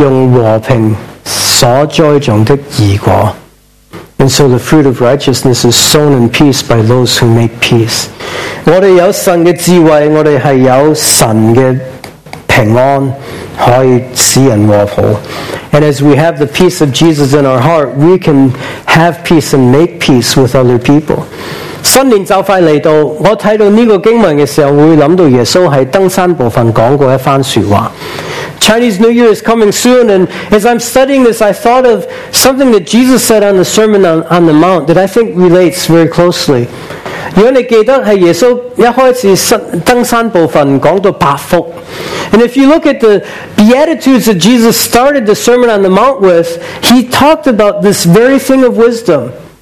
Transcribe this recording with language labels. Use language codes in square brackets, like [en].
[zh] 并且使人和平，是用和平所栽种的义果。 [en] And so the fruit of righteousness is sown in peace by those who make peace. [zh] 我们有神的智慧,我们是有神的平安,可以使人和好。 [en] And as we have the peace of Jesus in our heart, we can have peace and make peace with other people. [zh] 新年快来到,我看到这个经文的时候,会想到耶稣在登山部分讲过一番说话。 [en] Chinese New Year is coming soon, and as I'm studying this, I thought of something that Jesus said on the Sermon on the Mount that I think relates very closely. [zh] 如果你记得是耶稣一开始登山部分讲到八福, [en] and if you look at the Beatitudes that Jesus started the Sermon on the Mount with, he talked about this very thing of wisdom.